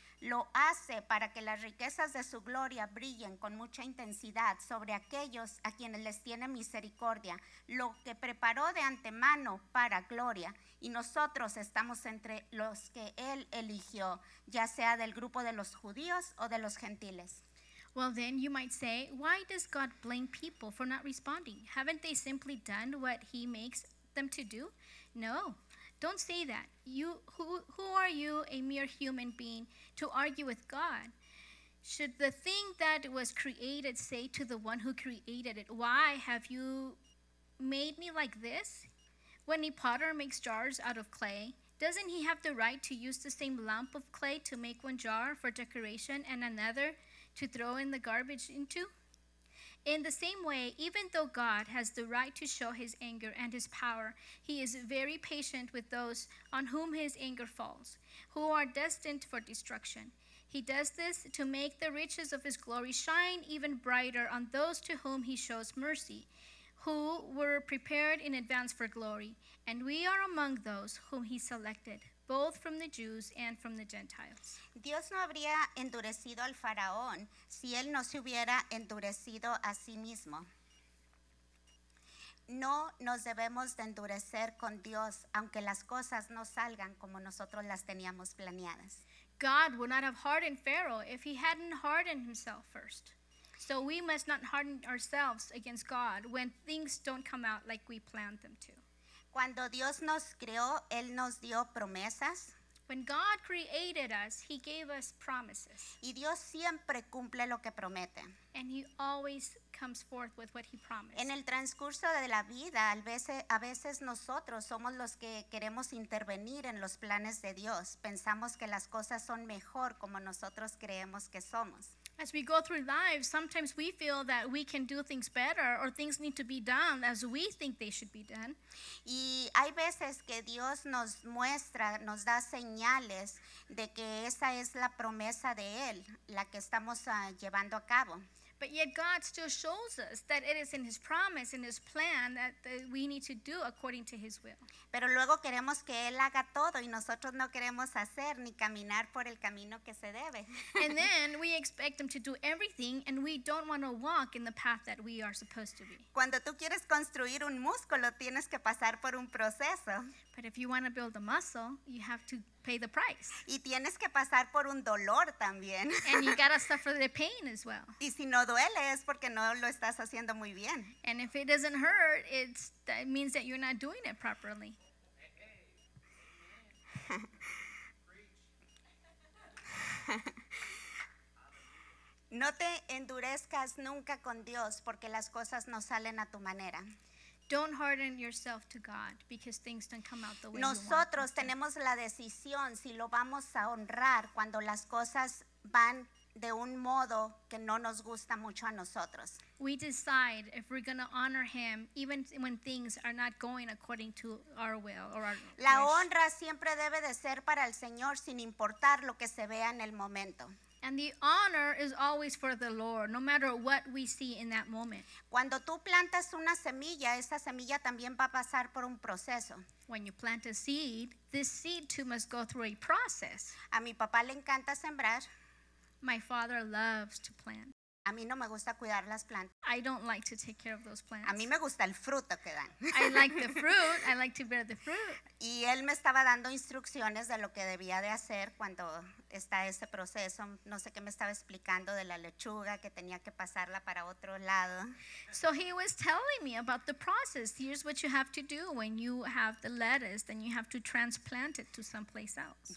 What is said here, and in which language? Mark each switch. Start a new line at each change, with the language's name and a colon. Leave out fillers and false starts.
Spanish: Lo hace para que las riquezas de su gloria brillen con mucha intensidad sobre aquellos a quienes les tiene misericordia, lo que preparó de antemano para gloria. Y nosotros estamos entre los que Él eligió, ya sea del grupo de los judíos o de los gentiles.
English: Well, then you might say, why does God blame people for not responding? Haven't they simply done what He makes them to do? No. Don't say that. Who are you, a mere human being, to argue with God? Should the thing that was created say to the one who created it, why have you made me like this? When a potter makes jars out of clay, doesn't he have the right to use the same lump of clay to make one jar for decoration and another to throw in the garbage into? In the same way, even though God has the right to show his anger and his power, he is very patient with those on whom his anger falls, who are destined for destruction. He does this to make the riches of his glory shine even brighter on those to whom he shows mercy, who were prepared in advance for glory. And we are among those whom he selected, both from the Jews and from the Gentiles.
Spanish: Dios no habría endurecido al faraón si él no se hubiera endurecido a sí mismo. No nos debemos de endurecer con Dios, aunque las cosas no salgan como nosotros las teníamos planeadas.
English: God would not have hardened Pharaoh if he hadn't hardened himself first. So we must not harden ourselves against God when things don't come out like we planned them to.
Spanish: Cuando Dios nos creó, Él nos dio promesas.
English: When God created us, he gave us promises.
Spanish: Y Dios siempre cumple lo que promete.
English: And he always comes forth with what he promised.
Spanish: En el transcurso de la vida, a veces nosotros somos los que queremos intervenir en los planes de Dios. Pensamos que las cosas son mejor como nosotros creemos que somos.
English: As we go through life, sometimes we feel that we can do things better or things need to be done as we think they should be done.
Spanish: Y hay veces que Dios nos muestra, nos da señales de que esa es la promesa de Él, la que estamos llevando a cabo.
English: But yet God still shows us that it is in his promise, in his plan, that we need to do according to his will.
Spanish: Pero luego queremos que Él haga todo y nosotros no queremos hacer ni caminar por el camino que se debe.
English: And then we expect him to do everything and we don't want to walk in the path that we are supposed to be.
Spanish: Cuando tú quieres construir un músculo, tienes que pasar por un proceso.
English: But if you want to build a muscle, you have to pay the price.
Spanish: Y tienes que pasar por un dolor también.
English: And you gotta suffer the pain as well.
Spanish: Y si no duele, es porque no lo estás haciendo muy bien.
English: And if it doesn't hurt, that means that you're not doing it properly.
Spanish: No te endurezcas nunca con Dios porque las cosas no salen a tu manera.
English: Don't harden yourself to God because things don't come out the way
Spanish: nosotros
English: you want.
Spanish: Nosotros tenemos la decisión si lo vamos a honrar cuando las cosas van de un modo que no nos gusta mucho a nosotros.
English: We decide if we're going to honor him even when things are not going according to our will or our wish.
Spanish: La honra siempre debe de ser para el Señor sin importar lo que se vea en el momento.
English: And the honor is always for the Lord, no matter what we see in that moment.
Spanish: Cuando tú plantas una semilla, esa semilla también va a pasar por un proceso.
English: When you plant a seed, this seed too must go through a process.
Spanish: A mi papá le encanta sembrar.
English: My father loves to plant.
Spanish: A mí no me gusta cuidar las plantas.
English: I don't like to take care of those plants.
Spanish: A mí me gusta el fruto que dan.
English: I like the fruit. I like to bear the fruit.
Spanish: Y él me estaba dando instrucciones de lo que debía de hacer cuando está ese proceso. No sé qué me estaba explicando de la lechuga que tenía que pasarla para otro lado.
English: So he was telling me about the process. Here's what you have to do when you have the lettuce, then you have to transplant it to someplace else.